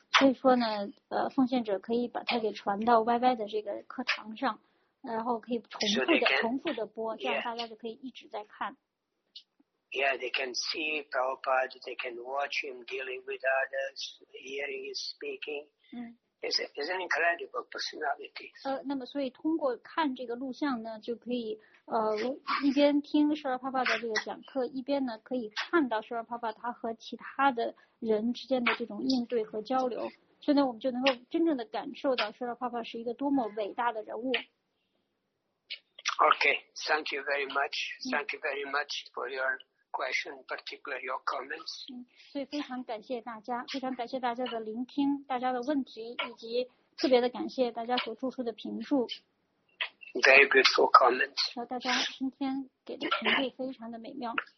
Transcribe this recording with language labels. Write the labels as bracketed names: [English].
[Chinese] 所以说呢奉献者可以把它给传到 YY 的这个课堂上然后可以重复的播，这样大家就可以一直在看。 [English] Yeah, they can see Prabhupada, they can watch him dealing with others, hearing his speaking. It's an incredible personality. [Chinese] 那么所以通过看这个录像呢，就可以一边听舍尔帕帕的这个讲课，一边呢可以看到舍尔帕帕他和其他的人之间的这种应对和交流，所以呢我们就能够真正的感受到舍尔帕帕是一个多么伟大的人物。 [English] Okay, thank you very much. Thank you very much for your question, particularly your comments. [Chinese] 所以非常感谢大家，非常感谢大家的聆听，大家的问题，以及特别的感谢大家所做出的评述。 [English] Very beautiful comments. [Chinese] 然后大家今天给的评论非常的美妙。